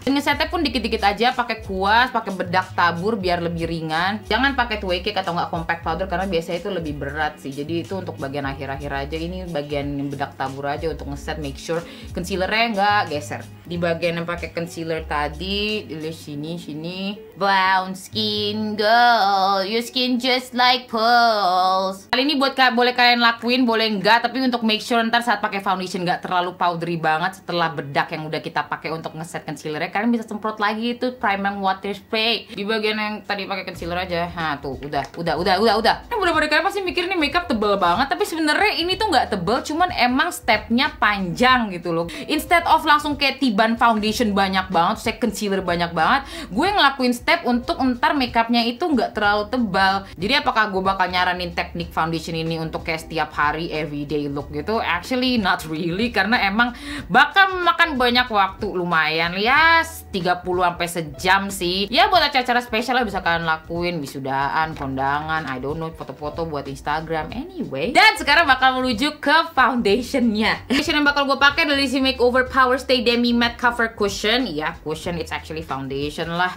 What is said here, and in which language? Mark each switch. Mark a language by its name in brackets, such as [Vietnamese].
[Indonesian] Dan ngesetnya pun dikit-dikit aja, pakai kuas, pakai bedak tabur biar lebih ringan. Jangan pakai tuai cake atau nggak compact powder karena biasanya itu lebih berat sih. Jadi itu untuk bagian akhir-akhir aja, ini bagian bedak tabur aja untuk ngeset, [English] make sure [Indonesian] concealernya nggak geser. Di bagian yang pakai concealer tadi, dilihat sini. [English] Brown skin girl, your skin just like pearls. [Indonesian] Kali ini buat boleh kalian lakuin, boleh enggak, tapi untuk [English] make sure [Indonesian] ntar saat pakai foundation enggak terlalu powdery banget setelah bedak yang udah kita pakai untuk ngeset concealernya, kalian bisa semprot lagi itu primer water spray di bagian yang tadi pakai concealer aja. Nah, tuh, udah. Ini bener-bener kalian pasti mikir nih makeup tebel banget, tapi sebenarnya ini tuh enggak tebel, cuman emang stepnya panjang gitu loh. [English] Instead of [Indonesian] langsung kayak tiban foundation banyak banget, terus kayak concealer banyak banget, gue ngelakuin step untuk ntar makeupnya itu nggak terlalu tebal. Jadi apakah gue bakal nyaranin teknik foundation ini untuk kayak setiap hari [English] everyday look [Indonesian] gitu? [English] Actually not really, [Indonesian] karena emang bakal memakan banyak waktu, lumayan ya 30 sampai sejam sih. Ya buat acara-acara spesial bisa kalian lakuin, wisudaan, kondangan, [English] I don't know, [Indonesian] foto-foto buat Instagram, anyway. Dan sekarang bakal menuju ke foundationnya. Foundation yang bakal gue pakai dari si Makeover Powerstay Demi Matte Cover Cushion. [English] Ya cushion, it's actually foundation lah.